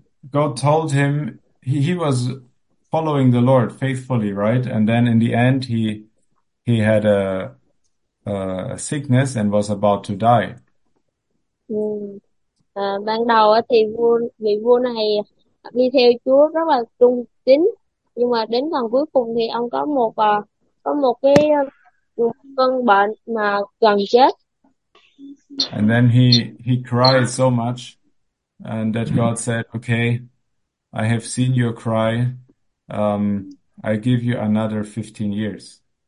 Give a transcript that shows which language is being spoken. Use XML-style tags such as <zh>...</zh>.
<en>God told him he was following the Lord faithfully, right? And then in the end he had a sickness and was about to die.</en> <vi>Ban đầu thì vị vua này đi theo Chúa rất là trung tín, nhưng mà đến phần cuối cùng thì ông có một cái cơn bệnh mà gần chết.</vi> <en>And then he cried so much, and that God said, "Okay, I have seen your cry. I give you another 15 years."</en>